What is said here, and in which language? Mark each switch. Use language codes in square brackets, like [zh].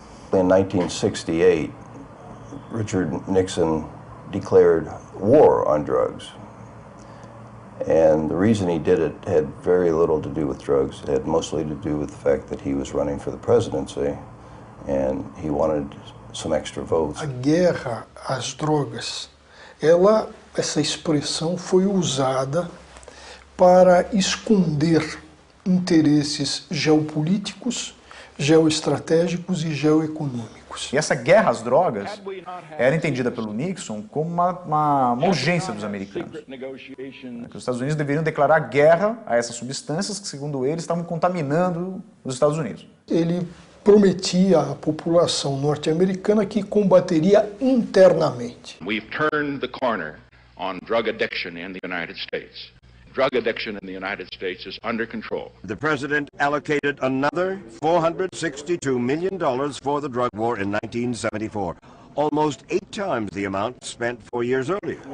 [en] In 1968, Richard Nixon declared war on drugs. And the reason he did it had very little to do with drugs. It had mostly to do with the fact that he was running for the presidency and he wanted some extra votes. [pt] A guerra às drogas, ela, essa expressão foi usada para esconder interesses geopolíticos, geoestratégicos e geoeconômicos. E essa guerra às drogas era entendida pelo Nixon como uma urgência dos americanos. Que os Estados Unidos deveriam declarar guerra a essas substâncias que, segundo ele, estavam contaminando os Estados Unidos. Ele prometia à população norte-americana que combateria internamente. [en] We've turned the corner on drug addiction in the United States. Drug addiction in the United States is under control. The president allocated another $462 million for the drug war in 1974, almost eight times the amount spent 4 years earlier.